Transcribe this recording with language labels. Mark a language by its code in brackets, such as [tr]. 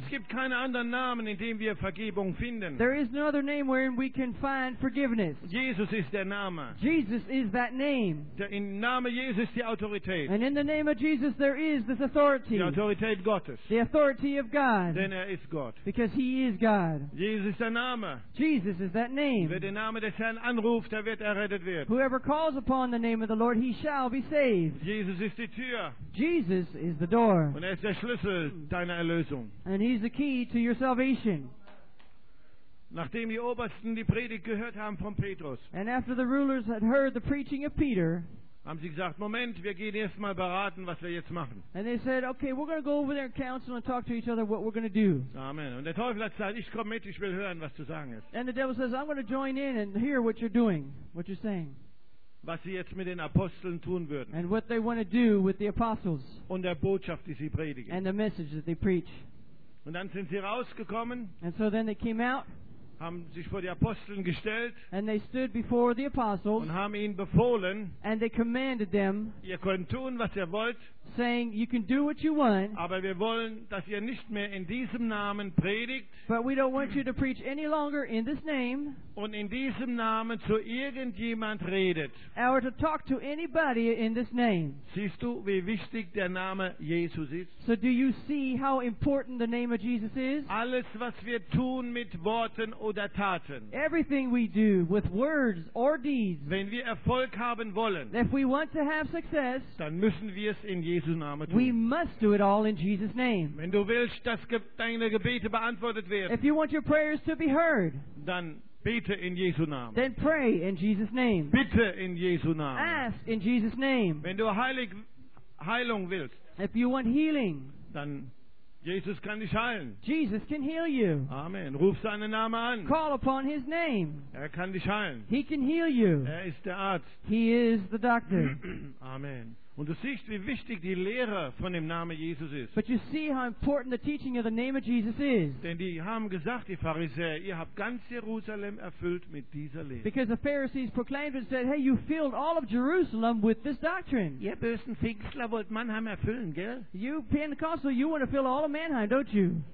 [de] Es gibt keinen anderen Namen, in dem wir Vergebung finden. [en] There is no other name wherein we can find forgiveness. [de] Jesus ist der Name. [en] Jesus is that name. [de] Im Namen Jesus ist die Autorität. [en] And in the name of Jesus there is this authority. [de] Die Autorität Gottes. [en] The authority of God. [de] Denn ist Gott. [en] Because he is God. [de] Jesus ist der Name. [en] Jesus is that name. [de] Wer den Namen des Herrn anruft, der wird errettet werden. [en] Whoever calls upon the name of the Lord, he shall be saved. [de] Jesus ist die Tür. [en] Jesus is the door. [de] Und ist der Schlüssel deiner Erlösung. [en] And he's the key to your salvation. [de] Nachdem die Obersten die Predigt gehört haben von Petrus. [en] And after the rulers had heard the preaching of Peter. [de] Haben sie gesagt, Moment, wir gehen erst mal beraten, was wir jetzt machen. [en] And they said, okay, we're going to go over there and counsel and talk to each other what we're going to do. Amen. [de] Und der Teufel hat gesagt, ich komme mit, ich will hören, was du sagen hast. [en] And the devil says, I'm going to join in and hear what you're doing, what you're saying. [de] Was sie jetzt mit den Aposteln tun würden. [en] And what they want to do with the apostles. [de] Und der Botschaft, die sie predigen. [en] And the message that they preach. [de] Und dann sind sie rausgekommen. [en] And so then they came out. [de] Haben sich vor die Aposteln gestellt. [en] And they stood before the apostles. [de] Und haben ihnen befohlen. [en] And they commanded them. [de] Ihr könnt tun, was ihr wollt. [en] Saying, you can do what you want. [de] Aber wir wollen, dass ihr nicht mehr in diesem Namen predigt. [en] But we don't want you to preach any longer in this name. [de] Und in diesem Namen zu irgendjemand redet. [en] Or to talk to anybody in this name. [de] Siehst du, wie wichtig der Name Jesus ist? [en] So do you see how important the name of Jesus is? [de] Alles, was wir tun mit Worten oder Taten. [en] Everything we do with words or deeds. [de] Wenn wir Erfolg haben wollen. [en] If we want to have success. [de] Dann müssen wir es in Jesu Name tun. [en] We must do it all in Jesus' name. [de] Wenn du willst, dass deine Gebete beantwortet werden. [en] If you want your prayers to be heard. [de] Dann bete in Jesu Namen. [en] Then pray in Jesus' name. [de] Bitte in Jesu Namen. [en] Ask in Jesus' name. [de] Wenn du Heilung willst. [en] If you want healing. [de] Dann Jesus kann dich heilen. [en] Jesus can heal you. [de] Amen. Ruf seinen Namen an. [en] Call upon his name. [de] Kann dich heilen. [en] He can heal you. [de] Ist der Arzt. [en] He is the doctor. Amen. [de] Und du siehst, wie wichtig die Lehre von dem Namen Jesus ist. [en] But you see how important the teaching of the name of Jesus is. [de] Denn die haben gesagt, die Pharisäer, ihr habt ganz Jerusalem erfüllt mit dieser Lehre. [en] Because the Pharisees proclaimed and said, hey, you filled all of Jerusalem with this doctrine. [de] Ihr bösen Pfingstler wollt Mannheim erfüllen, gell? [en] You Pentecostal, you want to fill all of Mannheim, don't you?